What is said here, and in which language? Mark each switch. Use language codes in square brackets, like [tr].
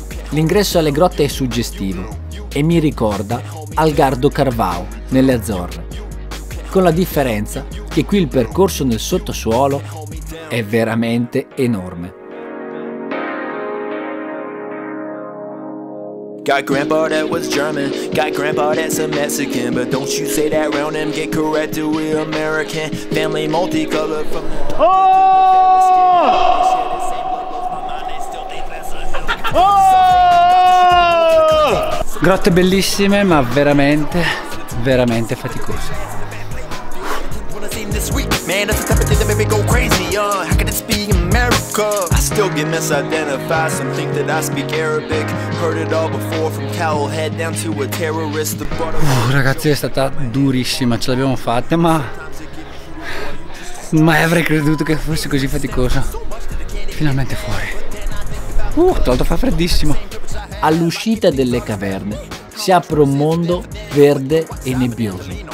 [it] L'ingresso alle grotte è suggestivo e mi ricorda Algardo Carvao nelle Azzorre, con la differenza che qui il percorso nel sottosuolo è veramente enorme. [en] Got grandpa that was German, got grandpa that's a Mexican, but don't you say that round him, get corrected, we American, family multicolored from the oh! Oh! [it] Grotte bellissime, ma veramente, veramente faticose. [en] Man, that's the type of thing that made me go crazy, how could this be America? I still get misidentified, some think that I speak Arabic. Heard it all before, from cowlhead down to a terrorist. [it] Ragazzi, è stata durissima, ce l'abbiamo fatta, ma mai avrei creduto che fosse così faticosa. Finalmente fuori. Tolto, fa freddissimo. All'uscita delle caverne si apre un mondo verde e nebbioso.